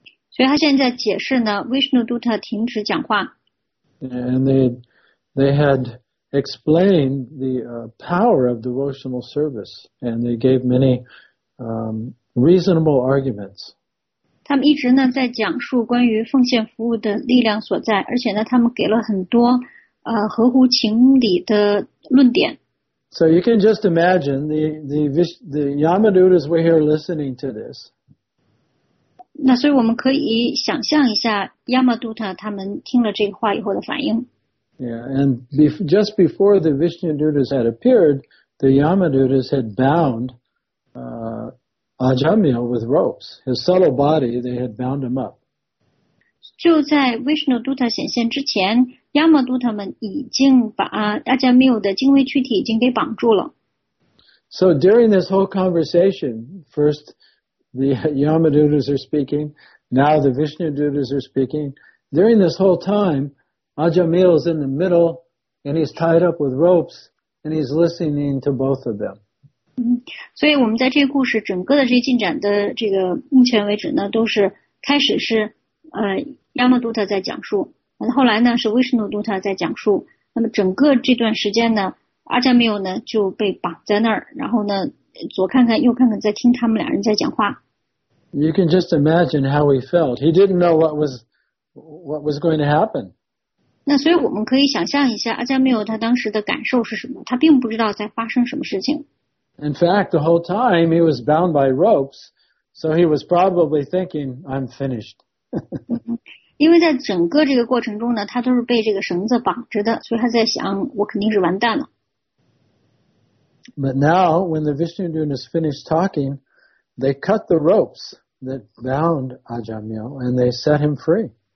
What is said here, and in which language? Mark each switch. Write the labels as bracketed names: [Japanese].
[Chinese] 所以他现在解释呢 ,Vishnu Dutta 停止讲话。 [English] And they had explained the power of devotional service, and they gave many reasonable arguments. [Chinese] 他们一直呢在讲述关于奉献服务的力量所在，而且呢他们给了很多合乎情理的论点。 [English] So you can just imagine the Yamadutas were here listening to this. [Chinese] 那所以我们可以想象一下 Yamaduta 他们听了这个话以后的反应。 [English] Yeah, and just before the Vishnu Dutas had appeared, the Yamadutas had bound Ajamil with ropes. His subtle body, they had bound him up. [Chinese] 就在 Vishnu Dutta 显现之前，Yamaduta 们已经把阿加缪的精微躯体已经给绑住了。 [English] So during this whole conversation, first the Yamadutas are speaking, now the Vishnudutas are speaking. During this whole time, Ajamil is in the middle and he's tied up with ropes and he's listening to both of them. [Chinese] 所以我们在这个故事整个的这个进展的这个目前为止呢，都是开始是Yamaduta 在讲述。后来呢是 Vishnu Dutta 在讲述，那么整个这段时间呢，阿加缪呢就被绑在那儿，然后呢左看看右看看，在听他们两人在讲话。 [English] You can just imagine how he felt. He didn't know what was going to happen. [Chinese] 那所以我们可以想象一下阿加缪他当时的感受是什么，他并不知道在发生什么事情。 [English] In fact, the whole time he was bound by ropes, so he was probably thinking, I'm finished. [Chinese] 因为在整个这个过程中呢，他都是被这个绳子绑着的，所以他在想，我肯定是完蛋了。 [English] But now, when the Vishnudutas finished talking, they cut the ropes that bound Ajamil and they set him free.